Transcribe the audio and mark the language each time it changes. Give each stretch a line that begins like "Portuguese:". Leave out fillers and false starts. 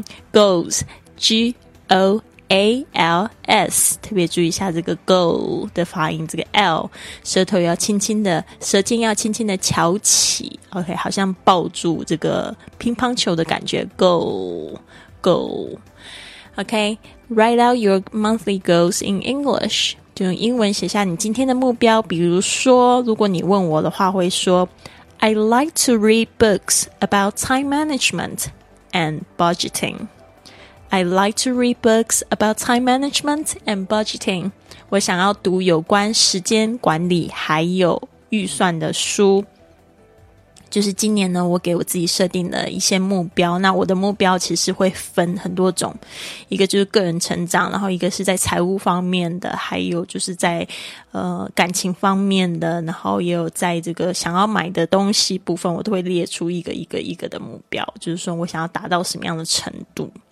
Chinese: goals, G-O-A-L-S, 特别注意一下这个 goal 的发音，这个 L, 舌头要轻轻的，舌尖要轻轻的翘起。 OK, 好像抱住这个乒乓球的感觉。
English: Goal, goal. OK, write out your monthly goals in English.
Chinese: 就用英文写下你今天的目标。比如说，如果你问我的话，会说
English: I like to read books about time management and budgeting. I like to read books about time management and budgeting.
Chinese: 我想要读有关时间管理还有预算的书。就是今年呢我给我自己设定了一些目标，那我的目标其实会分很多种，一个就是个人成长，然后一个是在财务方面的，还有就是在感情方面的，然后也有在这个想要买的东西部分，我都会列出一个一个一个的目标，就是说我想要达到什么样的程度。